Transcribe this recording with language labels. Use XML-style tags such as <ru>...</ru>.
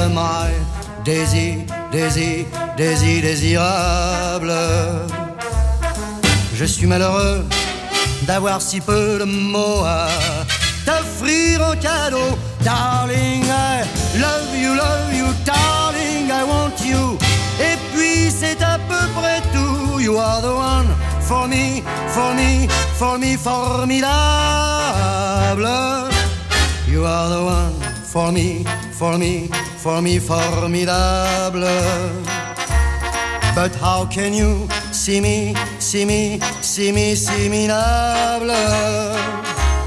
<en>My Daisy, Daisy, Daisy désirable.</en> <fr>Je suis malheureux d'avoir si peu de mots à t'offrir en cadeau.</fr> <en>Darling, I love you, darling, I want you.</en> <fr>Et puis c'est à peu près tout.</fr> <en>You are the one for me, for me, for me, formidable. You are the one for me, for me, for me, formidable. But how can you see me, see me, see me, see me noble?</en>